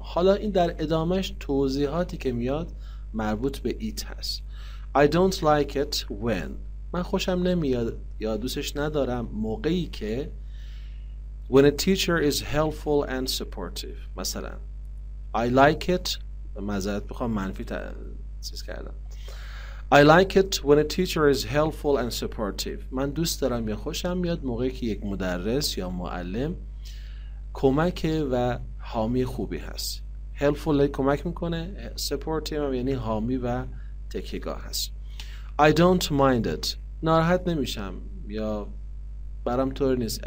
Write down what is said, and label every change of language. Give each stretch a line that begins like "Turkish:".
Persian: حالا این در ادامهش توضیحاتی که میاد مربوط به it هست.
English: I don't like it when.
Persian: من خوشم نمیاد یا دوستش ندارم موقعی که
English: when a teacher is helpful and supportive. مثلا I like it.
Persian: معذرت بخوام منفی چیز کردم.
English: I like it when a teacher is helpful and supportive.
Persian: من دوست دارم یا خوشم میاد موقعی که یک مدرس یا معلم کمک و حامی خوبی هست. Helpful کمک میکنه. Supportive هم یعنی حامی و تکیگاه هست.
English: I don't mind it.
Persian: ناراحت نمیشم یا برام طور نیست.